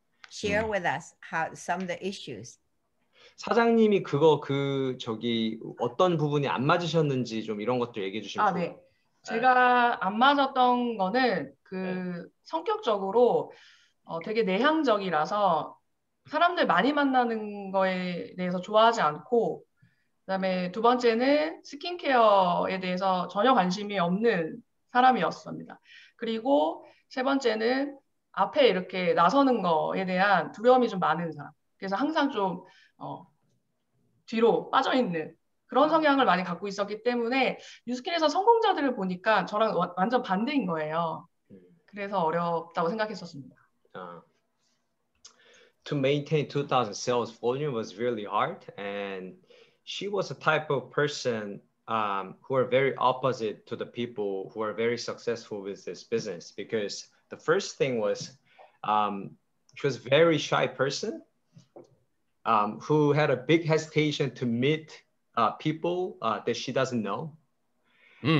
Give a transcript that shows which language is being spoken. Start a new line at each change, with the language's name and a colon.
English: Share with us how some of the issues.
Korean: 사장님이 그거 그 저기 어떤 부분이 안 맞으셨는지 좀 이런 것도 얘기해 주시면. 아 네. 제가 안 맞았던 거는 그 성격적으로 되게 내향적이라서 사람들 많이 만나는 거에 대해서 좋아하지 않고 그다음에 두 번째는 스킨케어에 대해서 전혀 관심이 없는 사람이었습니다. 그리고 세 번째는 앞에 이렇게 나서는 거에 대한 두려움이 좀 많은 사람. 그래서 항상 좀 뒤로 빠져 있는 그런 성향을 많이 갖고 있었기 때문에 뉴스킨에서 성공자들을 보니까 저랑 완전 반대인 거예요. 그래서 어렵다고 생각했었습니다.
English: To maintain 2,000 sales volume was really hard, and she was a type of person who are very opposite to the people who are very successful with this business. Because the first thing was, she was a very shy person who had a big hesitation to meet people that she doesn't know. Mm.